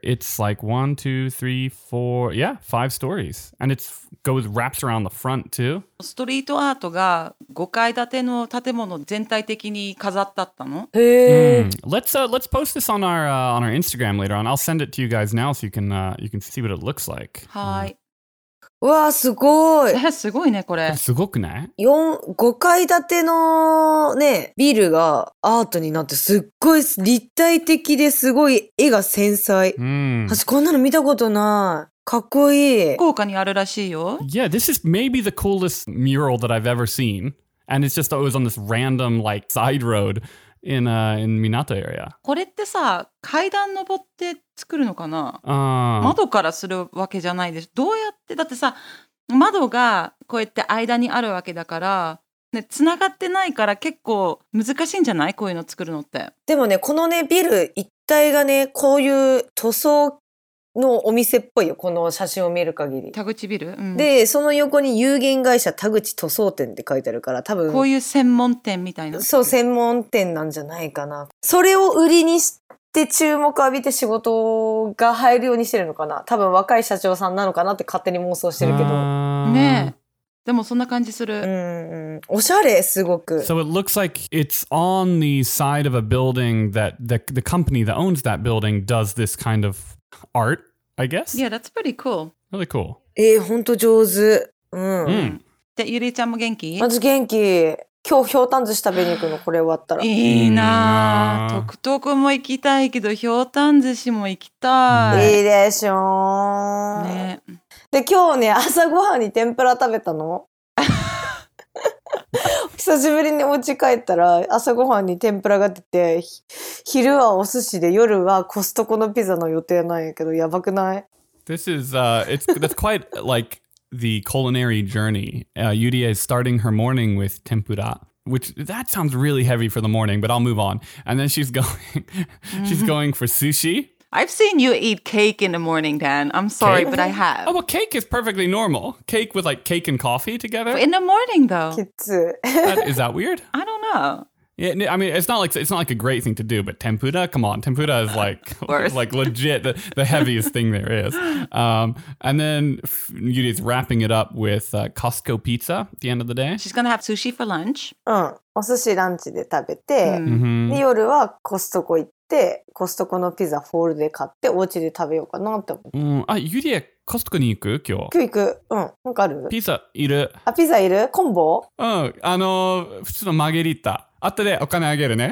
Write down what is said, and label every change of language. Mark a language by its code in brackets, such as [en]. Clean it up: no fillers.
[en] It's like one, two, three, four, yeah, five stories. And it goes wraps around the front too. [ja] ストリートアートが5階建ての建物全体的に飾ってあったの? へぇー。Mm. [en] Let's post this on our Instagram later on. I'll send it to you guys now so you can see what it looks like. [ja] はい。わあすごい。え、すごいね、これ。すごくない ?4、5階建てのね、ビルがアートになって、すっごい立体的ですごい絵が繊細。うん。私、こんなの見たことない。かっこいい。福岡にあるらしいよ。 [en] Yeah, this is maybe the coolest mural that I've ever seen. And it's just that it was on this random, like, side road in Minato area. [ja] これってさ、階段登って作るのかな、窓からするわけじゃないでしょ。どうやってだってさ、窓がこうやって間にあるわけだから、ね、繋がってないから結構難しいんじゃない？こういうの作るのって。でもね、このね、ビル一帯がね、こういう塗装のお店っぽいよ、この写真を見る限り。田口ビル、うん、で、その横に有限会社田口塗装店って書いてあるから、多分こういう専門店みたいな。そう、専門店なんじゃないかな。それを売りにしで注目浴びて仕事が入るようにしてるのかな。多分若い社長さんなのかなって勝手に妄想してるけど。ねえ。でもそんな感じする。うん。おしゃれ、すごく。 [en] So it looks like it's on the side of a building that the company that owns that building does this kind of art, I guess? Yeah, that's pretty cool. Really cool. [ja] ほんと上手。うん。 Mm. で、ゆりちゃんも元気？まず元気。今日ひょうたん寿司食べに行くの、これ終わったら。いいなぁ。トクトクも行きたいけど、ひょうたん寿司も行きたい。いいでしょー。ね。で、今日ね、朝ごはんに天ぷら食べたの。久しぶりにお家帰ったら、朝ごはんに天ぷらが出て、昼はお寿司で、夜はコストコのピザの予定なんやけど、やばくない? [en] This is, that's quite like,The culinary journey. Yurie is starting her morning with tempura, which that sounds really heavy for the morning, but I'll move on. And then she's going, she's going for sushi. I've seen you eat cake in the morning, Dan. I'm sorry, cake? But I have. Oh, well, cake is perfectly normal. Cake with like cake and coffee together. In the morning, though. is that weird? I don't know. Yeah, I mean, it's not like a great thing to do, but tempura, come on. Tempura is like, like legit the heaviest thing there is. And then Yuri's wrapping it up with Costco pizza at the end of the day. She's going to have sushi for lunch. [ja] うん。お寿司ランチで食べて、で、夜はコストコ行って、コストコのピザホールで買って、お家で食べようかなって思って。あ、Yuri、コストコに行く?今日。今日行く。うん。なんかある? ピザいる。あ、ピザいる?コンボ? 普通のマゲリータ。後でお金あげるね。